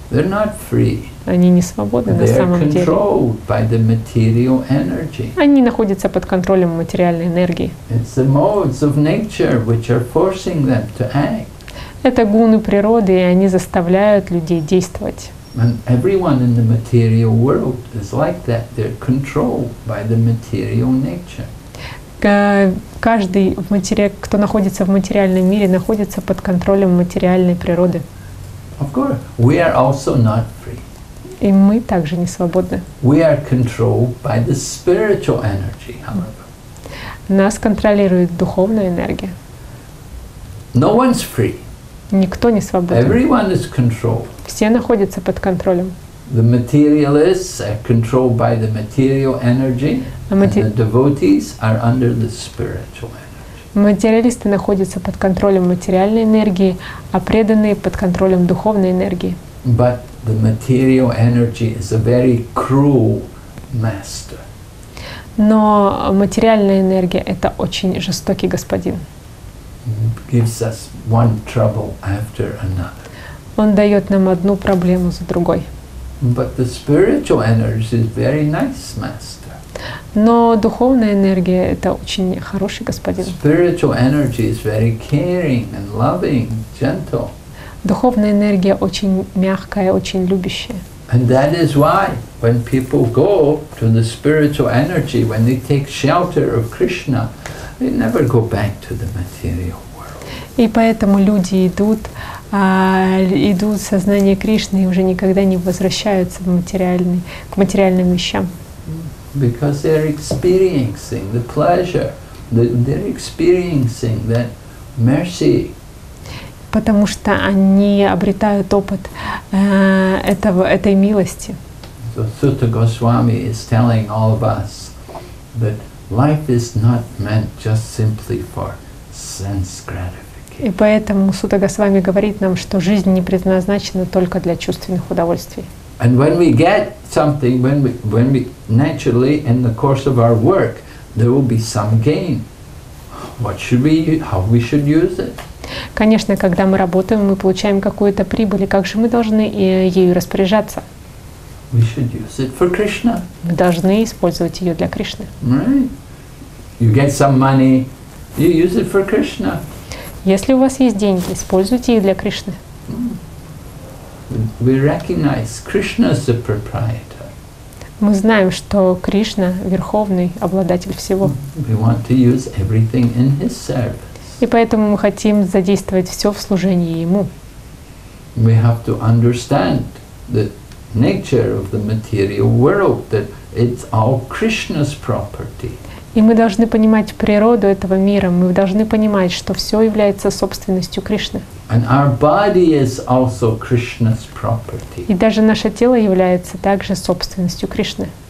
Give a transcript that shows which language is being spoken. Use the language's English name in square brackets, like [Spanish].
[English] They're not free. [Russian] Они не свободны [English] They're [Russian] на самом деле. [English] They're controlled by the material energy. [Russian] Они находятся под контролем материальной энергии. [English] It's the modes of nature which are forcing them to act. [Russian] Это гуны природы, и они заставляют людей действовать. [English] And everyone in the material world is like that. They're controlled by the material nature. [Russian] Каждый, кто находится в материальном мире, находится под контролем материальной природы. [English] Of course, we are also not free. [Russian] И мы также не свободны. [English] We are controlled by the spiritual energy, however. [Russian] Нас контролирует духовная энергия. [English] No one's free. [Russian] Никто не свободен. [English] Everyone is controlled. [Russian] Все находятся под контролем. [English] The materialists are controlled by the material energy, and the devotees are under the spiritual energy. [Russian] Материалисты находятся под контролем материальной энергии, а преданные под контролем духовной энергии. [English] But the material energy is a very cruel master. [Russian] Но материальная энергия — это очень жестокий господин. [English] Gives us one trouble after another. [Russian] Он дает нам одну проблему за другой. [English] But the spiritual energy is very nice master. [Russian] Но духовная энергия — это очень хороший господин. [English] Spiritual energy is very caring and loving, gentle. [Russian] Духовная энергия очень мягкая, очень любящая. [English] And that is why when people go to the spiritual energy, when they take shelter of Krishna, they never go back to the material world. [Russian] И поэтому люди идут в сознание Кришны и уже никогда не возвращаются к материальным вещам. [English] Because they're experiencing the pleasure, they're experiencing that mercy. [Russian] Потому что они обретают опыт этой милости. [English] So Sutta Goswami is telling all of us that life is not meant just simply for sense gratification. [Russian] И поэтому Сутта Госвами говорит нам, что жизнь не предназначена только для чувственных удовольствий. [English] And when we get something, when we naturally in the course of our work, there will be some gain. What should we, how we should use it? [Russian] Конечно, когда мы работаем, мы получаем какую-то прибыль, и как же мы должны ею распоряжаться? [English] We should use it for Krishna. [Russian] Мы должны использовать ее для Кришны. [English] Right. You get some money, you use it for Krishna. [Russian] Если у вас есть деньги, используйте их для Кришны. [English] We recognize Krishna as the proprietor. [Russian] Мы знаем, что Кришна — верховный обладатель всего. [English] We want to use everything in his service. [Russian] И поэтому мы хотим задействовать все в служении ему. [English] We have to understand that nature of the material world, that it's all Krishna's property. [Russian] И мы должны понимать природу этого мира, мы должны понимать, что все является собственностью Кришны. [English] And our body is also Krishna's property. [Russian] И даже наше тело является также собственностью Кришны.